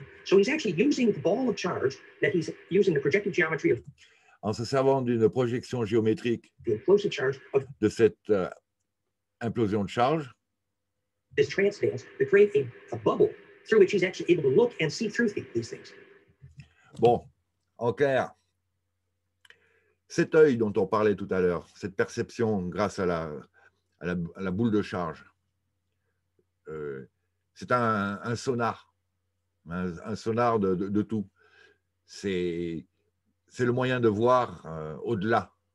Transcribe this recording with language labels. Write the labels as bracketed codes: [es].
[en] So he's actually using the ball of charge that he's using the projected geometry of, [fr] en se servant d'une projection géométrique, [en] the implosive charge of, [fr] de cette implosion de charge, [en] this trance dance, to create a bubble through which he's actually able to look and see through these things. [fr] Bon, en clair. Cet œil dont on parlait tout à l'heure, cette perception grâce à la boule de charge, c'est un sonar de tout. C'est le moyen de voir au-delà.